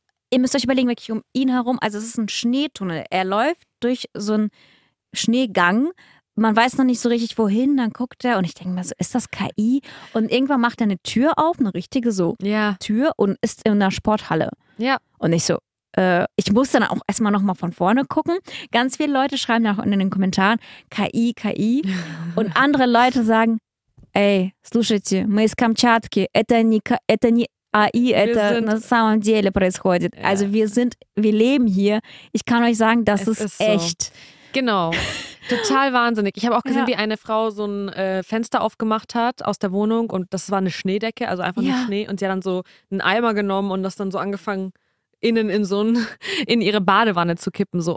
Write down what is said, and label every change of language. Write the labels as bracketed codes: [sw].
[de] Ihr müsst euch überlegen, wirklich um ihn herum, also es ist ein Schneetunnel, er läuft durch so einen Schneegang, man weiß noch nicht so richtig wohin, dann guckt er und ich denke mir so, ist das KI? Und irgendwann macht er eine Tür auf, eine richtige so Tür und ist in einer Sporthalle. Ja. Und ich so, ich muss dann auch erstmal nochmal von vorne gucken. Ganz viele Leute schreiben auch in den Kommentaren KI, KI. Und andere Leute sagen, ey, [ru] слушайте, мы из Камчатки, это не AI, это на самом деле происходит. [de] Also wir leben hier. Ich kann euch sagen, das ist echt. Genau. Total wahnsinnig. Ich habe auch gesehen, wie eine Frau so ein Fenster aufgemacht hat aus der Wohnung und das war eine Schneedecke, also einfach nur Schnee. Und sie hat dann so einen Eimer genommen und das dann so angefangen innen in so in ihre Badewanne zu kippen. So.